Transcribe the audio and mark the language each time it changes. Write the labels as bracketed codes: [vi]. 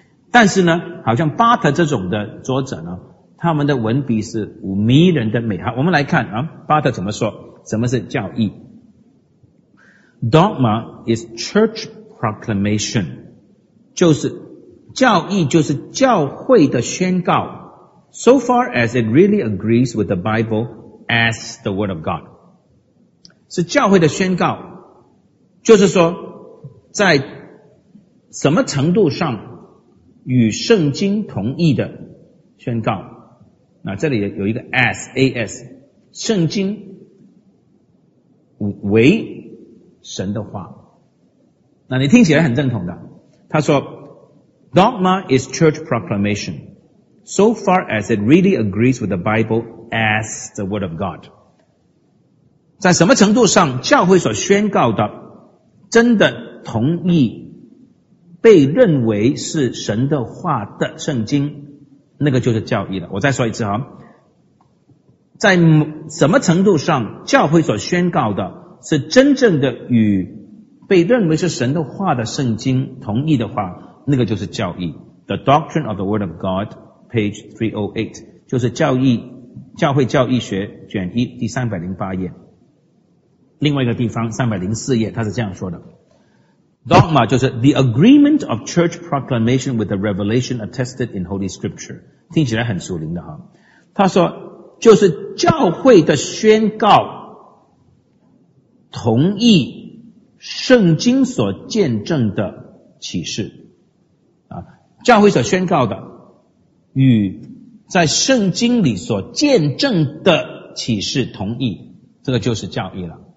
[zh] 但是呢，好像巴特这种的作者呢，他们的文笔是迷人的美。好，我们来看啊，巴特怎么说？什么是教义？ [en] Dogma is church proclamation， [zh] 就是教义就是教会的宣告。 [en] So far as it really agrees with the Bible as the Word of God， [zh] 是教会的宣告，就是说在什么程度上与圣经同意的宣告。那这里有一个 as 圣经为神的话，那你听起来很正统的。他说 [en] Dogma is church proclamationSo far as it really agrees with the Bible as the Word of God， [zh] 在什么程度上教会所宣告的真的同意被认为是神的话的圣经，那个就是教义了。我再说一次，在什么程度上教会所宣告的是真正的与被认为是神的话的圣经同意的话，那个就是教义。 The Doctrine of the Word of Godpage 308， 就是教义教会教义学卷一第308页。另外一个地方304页他是这样说的。 Dogma 就是 [en] the agreement of church proclamation with the revelation attested in Holy Scripture。 [zh] 听起来很属灵的哈。他说就是教会的宣告同意圣经所见证的启示。教会所宣告的与在圣经里所见证的启示同意，这个就是教义了。